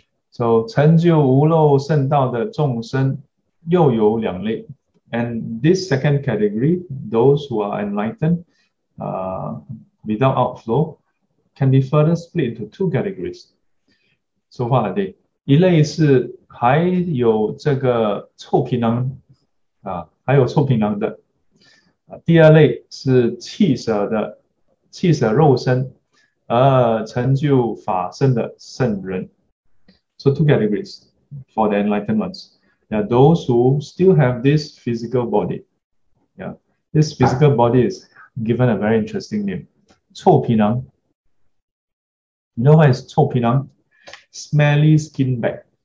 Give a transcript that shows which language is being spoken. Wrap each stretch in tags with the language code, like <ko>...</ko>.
<en>So</en> <zh>成就无漏圣道的众生 又有两类,</zh> <en>and this second category, those who are enlightened without outflow, can be further split into two categories. So what are they?</en> <zh>一类是还有这个臭皮囊, 还有臭皮囊的, 第二类是弃舍的, 弃舍肉身, 而成就法身的圣人.</zh> <en>So two categories for the enlightened ones. Yeah, those who still have this physical body. Yeah, this physical body is given a very interesting name.</en> <zh>臭皮囊.</zh> <en>You know what is 臭皮囊? Smelly skin bag.</en>